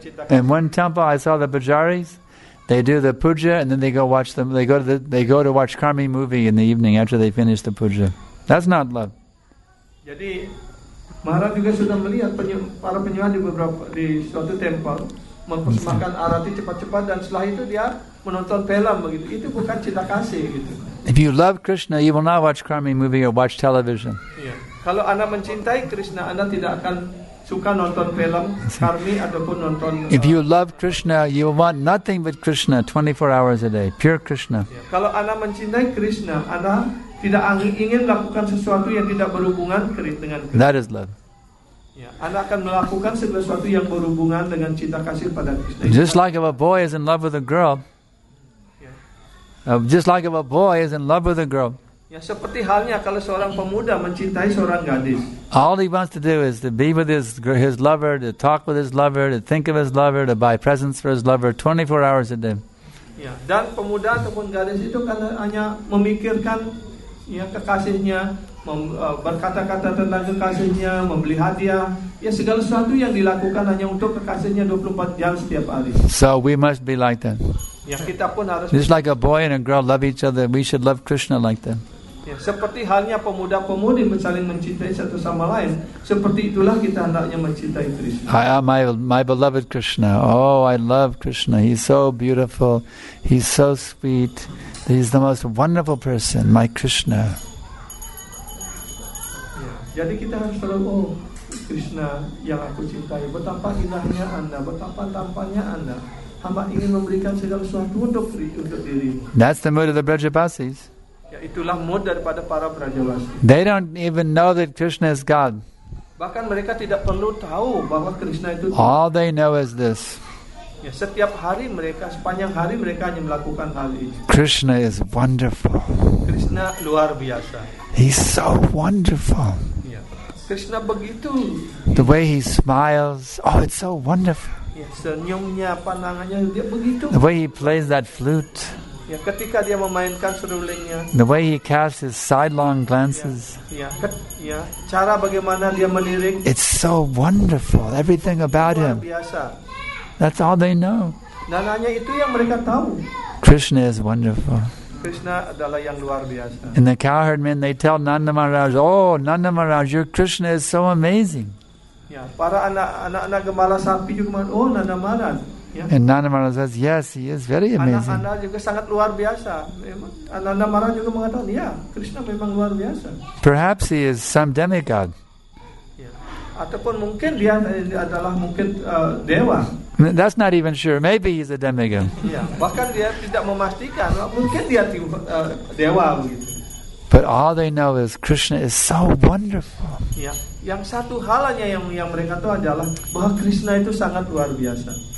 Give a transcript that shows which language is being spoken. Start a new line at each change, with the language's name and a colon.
English: In one temple, I saw the pujaris. They do the puja and then they go watch them. They go to watch Karmi movie in the evening after they finish the puja. That's not love.
Indonesian: Jadi Maharaj juga sudah melihat para penyembah di suatu tempel mempersembahkan arati cepat-cepat dan setelah itu dia menonton film begitu. Itu bukan cinta kasih gitu.
English: If you love Krishna, you will not watch karmi movie or watch television.
Indonesian: Kalau Anda mencintai Krishna, Anda tidak akan suka nonton film karmi ataupun nonton.
English: If you love Krishna, you will want nothing but Krishna 24 hours a day, pure Krishna.
Indonesian: Kalau Anda mencintai Krishna, Anda tidak ingin melakukan sesuatu yang tidak berhubungan dengan Krishna.
English: That is love.
Indonesian: Anda akan melakukan segala sesuatu yang berhubungan dengan cinta kasih pada Krishna.
English: Just like if a boy is in love with a girl. Just like if a boy is in love with a girl.
Indonesian: Seperti halnya kalau seorang pemuda mencintai seorang gadis.
English: All he wants to do is to be with his lover, to talk with his lover, to think of his lover, to buy presents for his lover 24 hours a day.
Indonesian: Dan pemuda ataupun gadis itu kan hanya memikirkan kekasihnya, berkata-kata tentang kekasihnya, membeli hadiah, segala sesuatu yang dilakukan hanya untuk kekasihnya 24 jam setiap hari.
English: So we must be like that.
Indonesian: Kita pun harus.
English: Just like a boy and a girl love each other, we should love Krishna like that.
Indonesian: Seperti halnya pemuda-pemudi saling mencintai satu sama lain, seperti itulah kita hendaknya mencintai Krishna.
English: I am my beloved Krishna. Oh, I love Krishna. He's so beautiful. He's so sweet. He's the most wonderful person, my Krishna.
Indonesian: Jadi kita harus selalu, Krishna yang aku cintai, betapa indahnya Anda, betapa tampannya Anda. Hamba ingin memberikan segala sesuatu untuk dirimu.
English: That's the mood of the Brajavasis.
Indonesian: Itulah mood daripada para Brajavasis.
English: They don't even know that Krishna is God.
Indonesian: Bahkan mereka tidak perlu tahu bahwa Krishna itu.
English: All they know is this.
Indonesian: Setiap hari mereka, sepanjang hari mereka hanya melakukan hal ini.
English: Krishna is wonderful.
Indonesian: Krishna luar biasa.
English: He's so wonderful.
Indonesian: Krishna begitu.
English: The way he smiles, oh, it's so wonderful.
Indonesian: Senyumnya, pandangannya, dia begitu.
English: The way he plays that flute.
Indonesian: Ya, ketika dia memainkan serulingnya.
English: The way he casts his sidelong glances.
Indonesian: Ya, cara bagaimana dia melirik.
English: It's so wonderful, everything about him.
Indonesian: Luar biasa.
English: That's all they know.
Indonesian: Dan hanya itu yang mereka tahu.
English: Krishna is wonderful.
Indonesian: Krishna adalah yang luar biasa.
English: And the cowherd men, they tell Nanda Maharaj, "Oh, Nanda Maharaj, your Krishna is so amazing."
Indonesian: Ya, para anak-anak gembala sapi juga mengatakan, "Oh, Nanda Maharaj." Ya.
English: And Nanda Maharaj says, "Yes, he is very amazing."
Indonesian: Ananda juga sangat luar biasa. Memang Nanda Maharaj juga mengatakan, "Ya, Krishna memang luar biasa."
English: Perhaps he is some demigod.
Indonesian: Ya. Ataupun mungkin dia adalah mungkin dewa.
English: That's not even sure. Maybe he's a demigod.
Indonesian: Yeah, bahkan dia tidak memastikan. Mungkin dia dewa.
English: But all they know is Krishna is so wonderful.
Indonesian: Yeah, yang satu halanya yang mereka tahu adalah bahwa Krishna itu sangat luar biasa.